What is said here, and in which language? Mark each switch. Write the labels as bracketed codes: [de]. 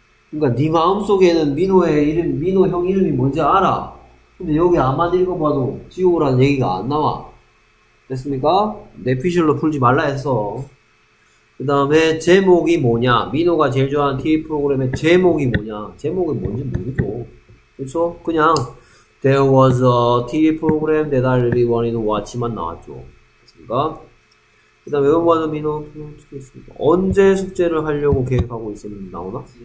[ko] 그러니까 네 마음속에는 민호의 이름, 민호 형 이름이 뭔지 알아. 근데 여기 아무리 읽어봐도 GO라는 얘기가 안 나와. 됐습니까? 뇌피셜로 풀지 말라 했어. 그 다음에 제목이 뭐냐? 민호가 제일 좋아하는 TV 프로그램의 제목이 뭐냐? 제목이 뭔지 모르죠. 그쵸? 그냥 [en] There was a TV program that I really wanted to watch [ko] 만 나왔죠. 됐습니까? 그 다음에 외워봐도 민호 언제 숙제를 하려고 계획하고 있었는지 나오나?